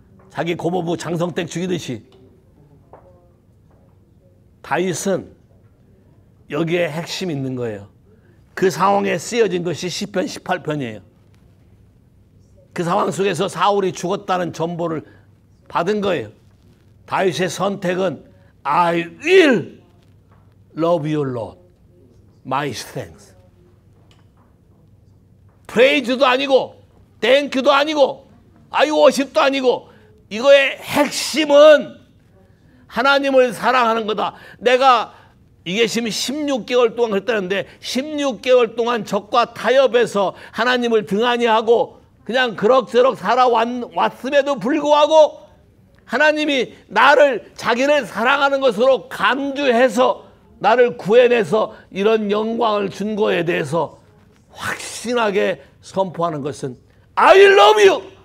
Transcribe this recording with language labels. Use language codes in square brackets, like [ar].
[ko] 자기 고모부 장성댁 죽이듯이. 다윗은 여기에 핵심이 있는 거예요. 그 상황에 쓰여진 것이 시편 18편이에요. 그 상황 속에서 사울이 죽었다는 전보를 받은 거예요. 다윗의 선택은 [en] I will love you, Lord. My thanks. [ko] Praise도 아니고 Thank you도 아니고 [en] I worship [ko] 도 아니고 이거의 핵심은 하나님을 사랑하는 거다. 내가 이게 지금 16개월 동안 그랬다는데 16개월 동안 적과 타협해서 하나님을 등한히 하고 그냥 그럭저럭 살아왔음에도 불구하고 하나님이 나를 자기를 사랑하는 것으로 간주해서 나를 구해내서 이런 영광을 준 거에 대해서 확신하게 선포하는 것은 [en] I love you!